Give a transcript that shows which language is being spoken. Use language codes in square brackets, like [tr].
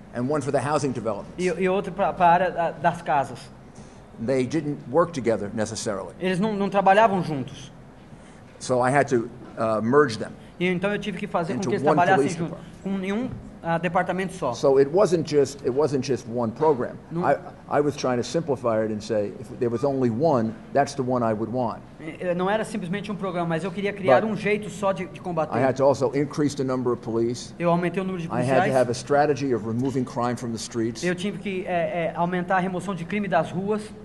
[en] And one for the housing developments. [pt] E outro para a área das casas. [en] They didn't work together necessarily. [pt] Eles não trabalhavam juntos. [en] So I had to merge them. [pt] E então eu tive que fazer com que eles trabalhassem junto, com nenhum departamento só. [en] So it wasn't just one program. I was trying to simplify it and say if there was only one, that's the one I would want. [pt] Não era simplesmente um programa, mas eu queria criar um jeito só de combater. [en] I had to also increase the number of police. [pt] Eu aumentei o número de policiais. [en] I had to have a strategy of removing crime from the streets. [pt] Eu tive que aumentar a remoção de crime das ruas.